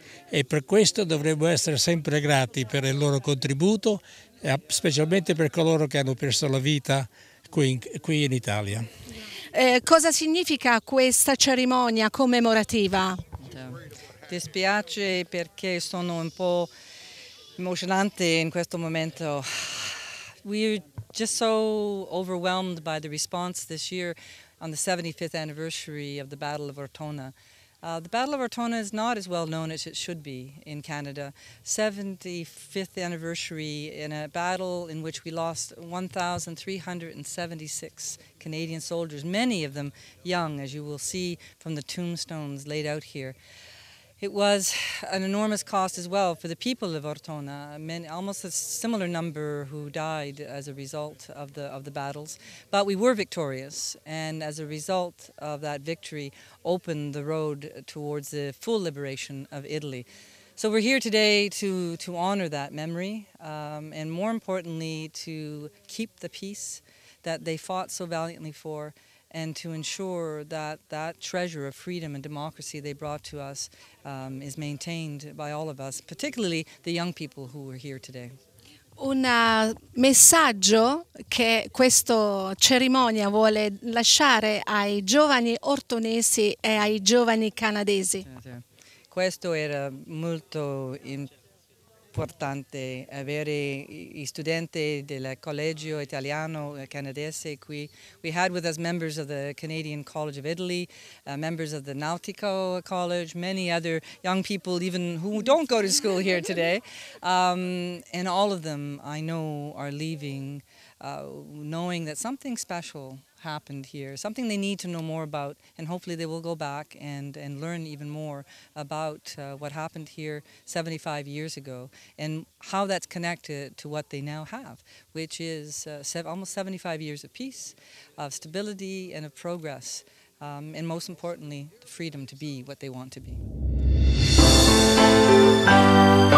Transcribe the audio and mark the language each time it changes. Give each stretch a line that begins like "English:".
Italian: E per questo dovremmo essere sempre grati per il loro contributo, specialmente per coloro che hanno perso la vita qui in Italia. Cosa significa questa cerimonia commemorativa? Dispiace perché sono un po' emozionante in questo momento.
English: We're just so overwhelmed by the response this year on the 75th anniversary of the Battle of Ortona. The Battle of Ortona is not as well known as it should be in Canada. 75th anniversary in a battle in which we lost 1,376 Canadian soldiers, many of them young, as you will see from the tombstones laid out here. It was an enormous cost as well for the people of Ortona, almost a similar number who died as a result of the battles. But we were victorious, and as a result of that victory, opened the road towards the full liberation of Italy. So we're here today to honor that memory, and more importantly, to keep the peace that they fought so valiantly for, and to ensure that treasure of freedom and democracy they brought to us is maintained by all of us, particularly the young people who are here today.
Italian: Un messaggio che questa cerimonia vuole lasciare ai giovani ortonesi e ai giovani canadesi. Questo era molto importante, avere gli studenti del collegio italiano canadese qui.
English: We had with us members of the Canadian College of Italy, members of the Nautico College, many other young people even who don't go to school here today, and all of them I know are leaving knowing that something special happened here, something they need to know more about, and hopefully they will go back and learn even more about what happened here 75 years ago and how that's connected to what they now have, which is almost 75 years of peace, of stability and of progress, and most importantly, the freedom to be what they want to be.